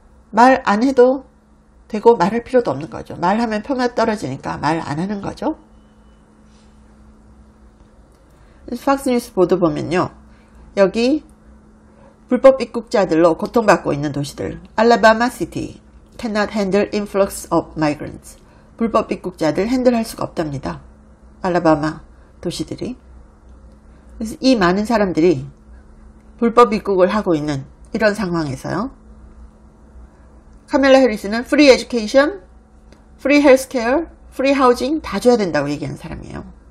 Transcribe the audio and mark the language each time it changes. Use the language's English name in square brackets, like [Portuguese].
[Korean] 말안 해도 되고 말할 필요도 없는 거죠. 말하면 폄하 떨어지니까 말안 하는 거죠. 그래서 팍스뉴스 보도 보면요. 여기 불법 입국자들로 고통받고 있는 도시들. [English] 알라바마 시티 cannot handle influx of migrants. [Korean] 불법 입국자들 핸들할 수가 없답니다. 알라바마 도시들이. 그래서 이 많은 사람들이 불법 입국을 하고 있는 이런 상황에서요. 카멜라 해리스는 [English] free education, free healthcare, free housing [Korean] 다 줘야 된다고 얘기하는 사람이에요.